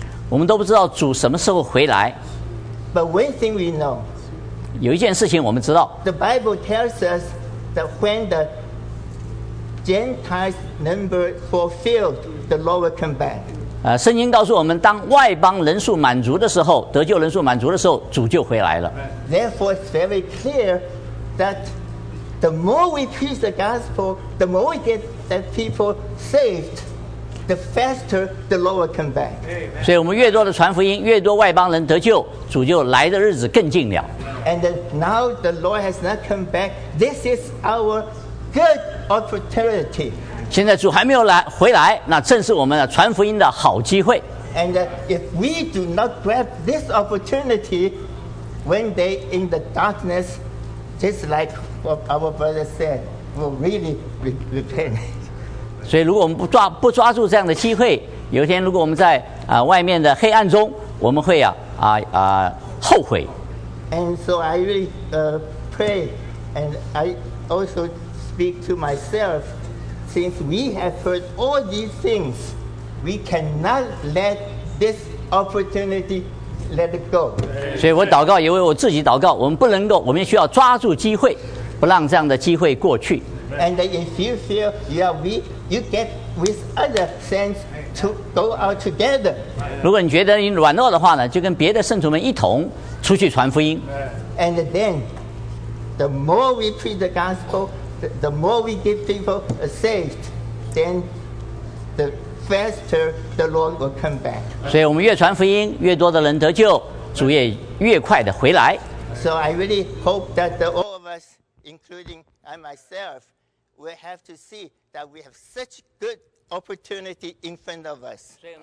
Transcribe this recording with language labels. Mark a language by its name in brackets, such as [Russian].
[Chinese] 我们都不知道主什么时候回来。 [English] But one thing we know. [Chinese] 有一件事情我们知道。 [English] The Bible tells us that when the Gentiles number fulfilled, the Lord will come back. [Chinese] 圣经告诉我们，当外邦人数满足的时候，得救人数满足的时候，主就回来了。 [English] Therefore, it's very clear that the more we preach the gospel, the more we get the people saved. The faster the Lord will come back. [Chinese] 所以我们越多的传福音，越多外邦人得救，主就来的日子更近了。 [English] And now the Lord has not come back. This is our good opportunity. [Chinese] 现在主还没有来回来，那正是我们传福音的好机会。 [English] And if we do not grab this opportunity, when they in the darkness, just like what our brother said, will really repent. [Chinese] 所以如果我们不抓住这样的机会，有一天如果我们在外面的黑暗中，我们会后悔。 [English] And so I really pray and I also speak to myself, since we have heard all these things, we cannot let this opportunity let it go. [Chinese] 所以我祷告，也为我自己祷告，我们不能够，我们需要抓住机会，不让这样的机会过去。 [English] And if you feel you are weak, you get with other saints to go out together. [Chinese] 如果你觉得你软弱的话呢，就跟别的圣徒们一同出去传福音。 [English] And then, the more we preach the gospel, the more we give people saved, then the faster the Lord will come back. [Chinese] 所以我们越传福音，越多的人得救，主也越快的回来。 [English] So I really hope that all of us, including I myself,We have to see that we have such good opportunity in front of us.